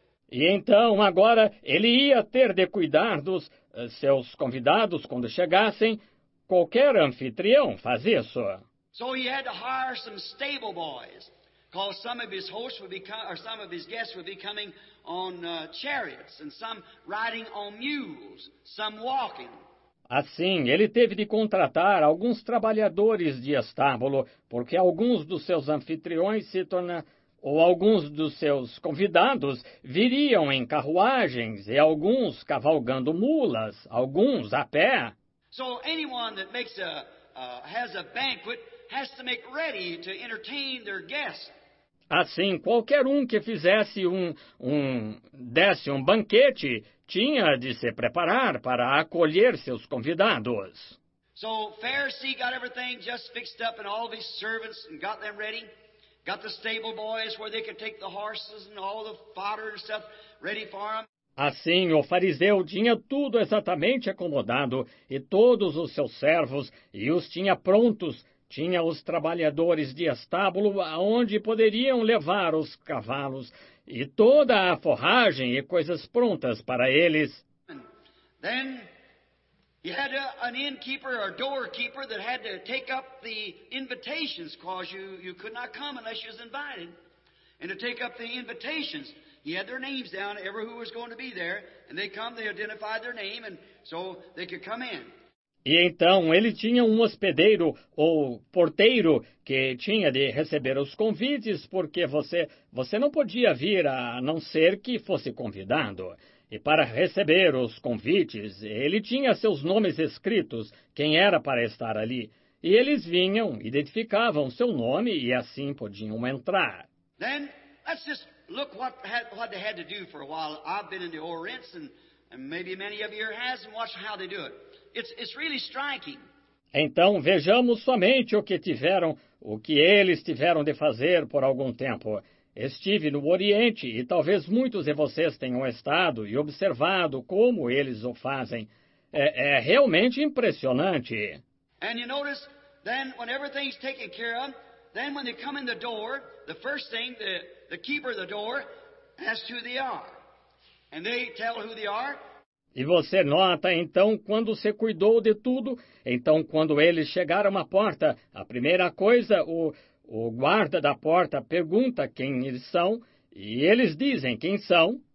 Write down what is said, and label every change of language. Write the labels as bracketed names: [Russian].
[Portuguese] E então, agora, ele ia ter de cuidar dos seus convidados quando chegassem. Qualquer anfitrião faz isso. [English] So he had to hire some stable boys. Because some of his hosts would be some of his guests would be coming on chariots, and some riding on mules, some walking. [Portuguese] Assim, ele teve de contratar alguns trabalhadores de estábulo, porque alguns dos seus anfitriões se tornam, ou alguns dos seus convidados viriam em carruagens, e alguns cavalgando mulas, alguns a pé. [English] So anyone that makes a has a banquet has to make ready to entertain their guests. [Portuguese] Assim, qualquer um que fizesse desse um banquete, tinha de se preparar para acolher seus convidados. [English] So Pharisee got everything just fixed up and all of his servants and got them ready. Got the stable boys where they could take the horses and all the fodder and stuff ready for them. [Portuguese] Assim, o fariseu tinha tudo exatamente acomodado e todos os seus servos e os tinha prontos. Tinha os trabalhadores de estábulo aonde poderiam levar os cavalos e toda a forragem e coisas prontas para eles. [English] Then he had an innkeeper or doorkeeper that had to take up the invitations, cause you could not come unless you was invited. And to take up the invitations, he had their names down, every who was going to be there, and they come, they identified their name, and so they could come in. [Portuguese] E então ele tinha um hospedeiro ou porteiro que tinha de receber os convites, porque você não podia vir a não ser que fosse convidado. E para receber os convites, ele tinha seus nomes escritos, quem era para estar ali. E eles vinham, identificavam seu nome e assim podiam entrar. [English] Then, let's just look what they had to do for a while. I've been in the Orients, and maybe many of you has, and watch how they do it. It's really striking. [Portuguese] Então, vejamos somente o que eles tiveram de fazer por algum tempo. Estive no Oriente e talvez muitos de vocês tenham estado e observado como eles o fazem. É realmente impressionante. [English] And you notice, then, when everything's taken care of, then when they come in the door, the first thing, the keeper of the door asks who they are. And they tell who they are. [Portuguese] E você nota, então, quando se cuidou de tudo, então, quando eles chegaram à porta, a primeira coisa, o guarda da porta pergunta quem eles são, e eles dizem quem são.